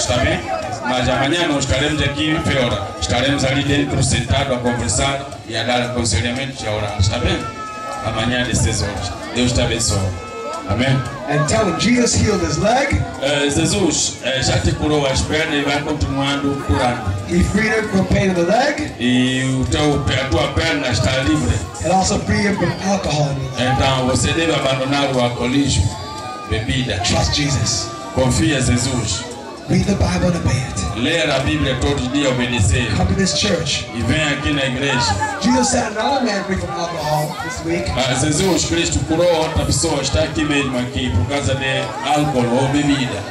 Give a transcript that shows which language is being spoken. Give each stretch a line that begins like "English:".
Portuguese: Está bem? Mas amanhã não estaremos aqui em Feora. Estaremos ali dentro, sentados a conversar e a dar aconselhamentos e a orar. Está bem? Amanhã, às 16 horas. Deus te abençoe. Amém?
English: And tell him Jesus healed his leg.
Portuguese: Jesus já te curou as pernas e vai continuando curando.
English: He freed him from pain in the leg.
Portuguese: E a tua perna está livre.
English: And also free him from alcohol.
Portuguese: Então você deve abandonar o alcoolismo, bebida.
English: Trust Jesus.
Portuguese: Confia em Jesus.
English: Read the Bible and obey it.
Portuguese: Ler a Bíblia todo dia e obedecer.
English: Come to this church.
Portuguese: E vem aqui na igreja.
English: Jesus set another man free from alcohol this week.
Portuguese: Jesus Cristo curou outra pessoa, está aqui mesmo aqui por causa de álcool ou bebida.